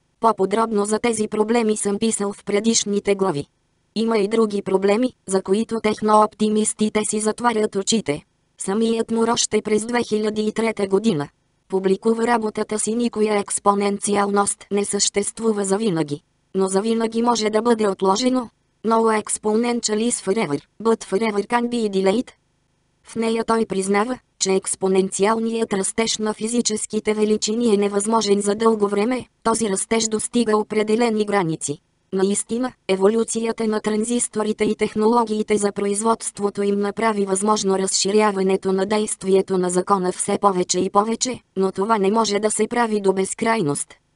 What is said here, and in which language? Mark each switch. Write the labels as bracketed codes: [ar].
[bg] По-подробно за тези проблеми съм писал в предишните глави. Има и други проблеми, за които технооптимистите си затварят очите. Самият Мур още през 2003 година публикува работата си «Никоя експоненциалност не съществува завинаги». Но завинаги може да бъде отложено. [en] No exponential is forever, but forever can be delayed. [bg] В нея той признава, че експоненциалният растеж на физическите величини е невъзможен за дълго време, този растеж достига определени граници. Наистина, еволюцията на транзисторите и технологиите за производството им направи възможно разширяването на действието на закона все повече и повече, но това не може да се прави до безкрайност.